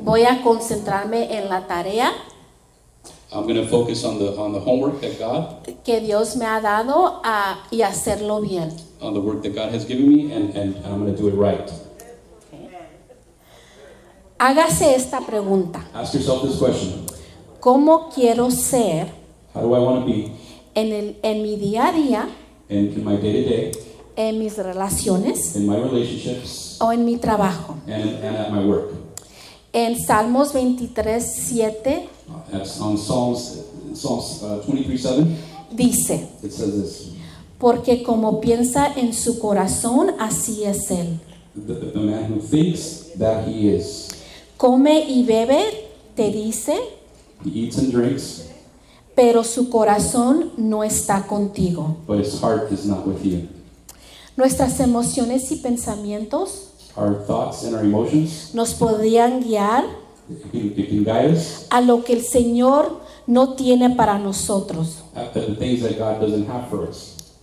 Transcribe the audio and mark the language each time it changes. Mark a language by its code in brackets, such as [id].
[es] Voy a concentrarme en la tarea. [en] I'm going to focus on the homework that God [es] que Dios me ha dado y hacerlo bien. [en] On the work that God has given me and I'm going to do it right. [es] Hágase esta pregunta. [en] Ask yourself this question. [es] ¿Cómo quiero ser? [en] How do I want to be? [es] En mi día a día. [en] In my day to day. [es] En mis relaciones. [en] In my relationships. [es] O en mi trabajo. [en] And at my work. [es] En Salmos 23, 7. [en] On Psalms 23:7. [es] Dice. [en] It says this. [es] Porque como piensa en su corazón, así es él. [en] The man who thinks that he is. [es] Come y bebe, te dice. [en] He eats and drinks. [es] Pero su corazón no está contigo. [en] But his heart is not with you. [es] Nuestras emociones y pensamientos. [en] Our thoughts and our emotions. [es] Nos podrían guiar. [en] It can guide us. [es] A lo que el Señor no tiene para nosotros. [en] The things that God doesn't have for us.